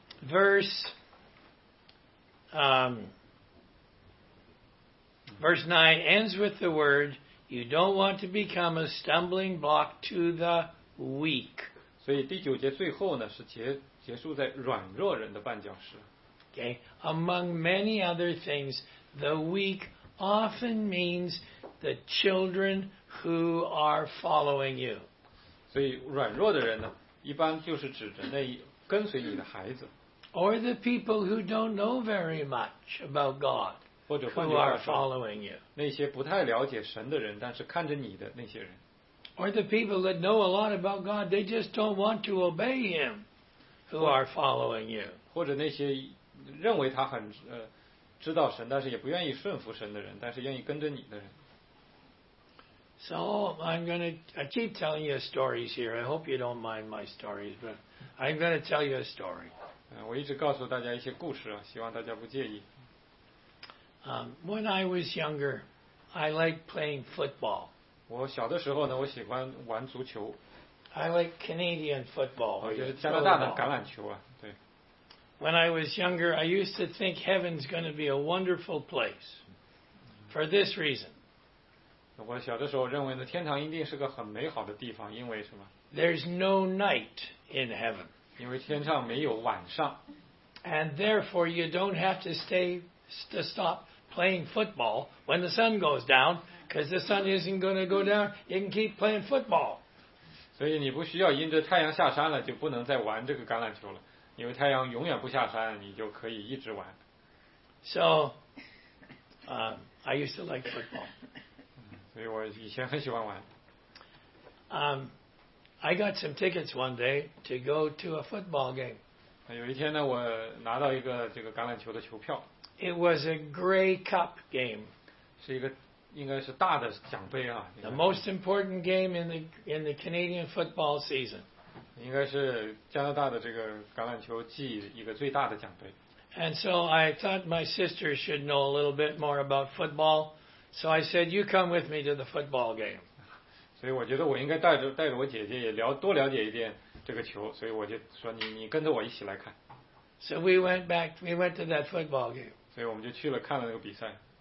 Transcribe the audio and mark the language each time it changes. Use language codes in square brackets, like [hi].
[en] Verse 9 ends with the wordYou don't want to become a stumbling block to the weak. [zh] 所以第九节最后呢是结束在软弱人的绊脚石。 [en] Okay, among many other things, the weak often means the children who are following you. [zh] 所以软弱的人呢，一般就是指着那跟随你的孩子。 [en] Or the people who don't know very much about God. [zh] 或者换句话说，那些不太了解神的人，但是看着你的那些人。 [en] Or the people that know a lot about God, they just don't want to obey Him, who are following you. [zh] 或者那些认为他很知道神，但是也不愿意顺服神的人，但是愿意跟着你的人。 [en] So I'm going to keep telling you stories here. I hope you don't mind my stories, but I'm going to tell you a story. [zh] 我一直告诉大家一些故事啊，希望大家不介意。 [en] When I was younger, I liked playing football. [zh] 我小的时候呢，我喜欢玩足球。 [en] I like Canadian football. [zh] 哦，就是加拿大的橄榄球啊，对。 [en] When I was younger, I used to think heaven's going to be a wonderful place. For this reason. [zh] 我小的时候认为呢，天堂一定是个很美好的地方，因为什么 [en] ？There's no night in heaven. [zh] 因为天上没有晚上。 [en] And therefore, you don't have to stay. To stop playing football when the sun goes down, because the sun isn't going to go down, you can keep playing football. [zh] 所以你不需要因着太阳下山了就不能再玩这个橄榄球了，因为太阳永远不下山，你就可以一直玩。 [en] So, I used to like football. [zh] 所以我以前很喜欢玩。 [en] I got some tickets one day to go to a football game. [zh] 有一天呢，我拿到一个这个橄榄球的球票。 [en] It was a Grey Cup game. [zh] 是一个应该是大的奖杯啊。 [en] The most important game in the Canadian football season. [zh] 应该是加拿大的这个橄榄球季一个最大的奖杯。 [en] And so I thought my sister should know a little bit more about football. So I said, you come with me to the football game. [zh] 所以我觉得我应该带着我姐姐也多了解一点这个球，所以我就说你跟着我一起来看。 [en] So we went back. We went to that football game. [zh] 所以我们就去了看了那个比赛。